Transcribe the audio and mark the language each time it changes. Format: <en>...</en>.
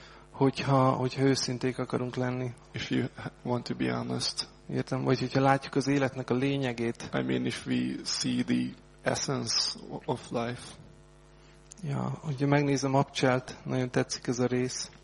<hu>Hogyha őszinték akarunk lenni.</hu> <en>If you want to be honest.</en> <hu>Értem, vagy hogyha látjuk az életnek a lényegét.</hu> <en>I mean if we see the essence of life.</en> <hu>Ja, hogyha megnézem Abcselt, nagyon tetszik ez a rész.</hu>